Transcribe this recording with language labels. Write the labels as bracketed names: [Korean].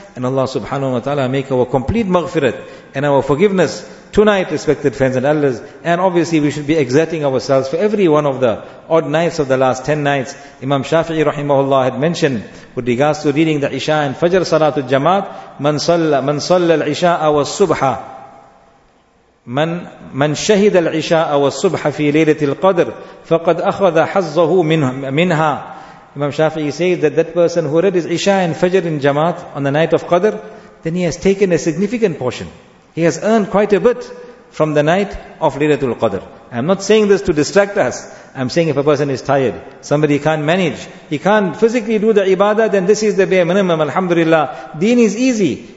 [English] And Allah subhanahu wa ta'ala make our complete maghfirat and our forgiveness tonight, respected friends and elders. And obviously we should be exerting ourselves for every one of the odd nights of the last 10 nights. Imam Shafi'i rahimahullah had mentioned with regards to reading the Isha and Fajr Salatul Jamaat, man salla al-Isha wa subha. [Arabic] من شهد العشاء والصبح في ليلة القدر فقد أخذ حظه منها. [English] Imam Shafi'i says that person who read his Isha and Fajr in Jamaat on the night of Qadr, then he has taken a significant portion. He has earned quite a bit from the night of Laylatul Qadr. I'm not saying this to distract us. I'm saying if a person is tired, somebody can't manage, he can't physically do the ibadah, then this is the bare minimum, alhamdulillah. Deen is easy.